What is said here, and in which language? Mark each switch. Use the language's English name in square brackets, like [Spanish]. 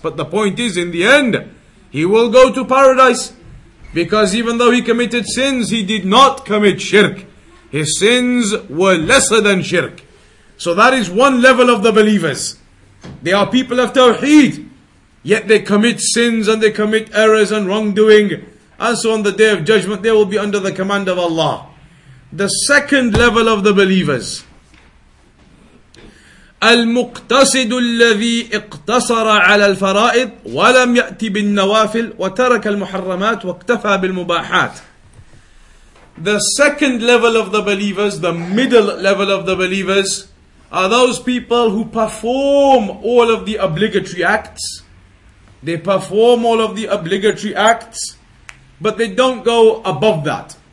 [English] But the point is, in the end, he will go to paradise because even though he committed sins, he did not commit shirk. His sins were lesser than shirk. So that is one level of the believers. They are people of tawheed, yet they commit sins and they commit errors and wrongdoing. And so on the day of judgment, they will be under the command of Allah. The second level of the believers, [Arabic] المقتصد الذي اقتصر على الفرائض ولم يأتي بالنوافل وترك المحرمات واكتفى بالمباحات. [English] The second level of the believers, the middle level of the believers, are those people who perform all of the obligatory acts. They perform all of the obligatory acts, but they don't go above that.